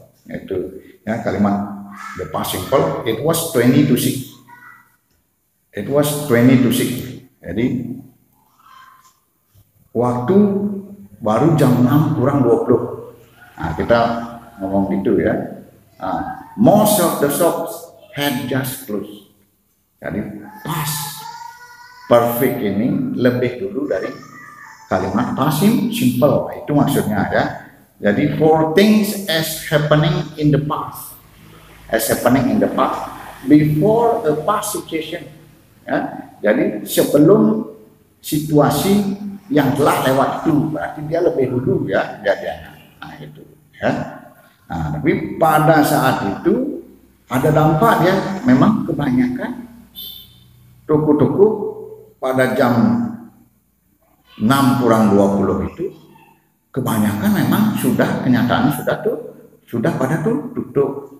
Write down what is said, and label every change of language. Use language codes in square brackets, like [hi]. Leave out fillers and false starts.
[id] Itu ya, kalimat [en] the passing simple it was 20 to 6. It was 20 to 6. [id] Jadi waktu baru jam 6 kurang 20. Nah, kita ngomong gitu ya. [en] Nah, most of the shops had just closed. [id] Jadi past perfect ini lebih dulu dari kalimat passing simple. Itu maksudnya ya. [en] Jadi for things as happening in the past. As happening in the past before a past situation. [id] Ya. Jadi sebelum situasi yang telah lewat itu, berarti dia lebih dulu ya jadinya. Nah, itu ya. Nah, tapi pada saat itu ada dampak ya, memang kebanyakan toko-toko pada jam 6 kurang 20 itu kebanyakan memang sudah kenyataannya sudah pada tuh tutup.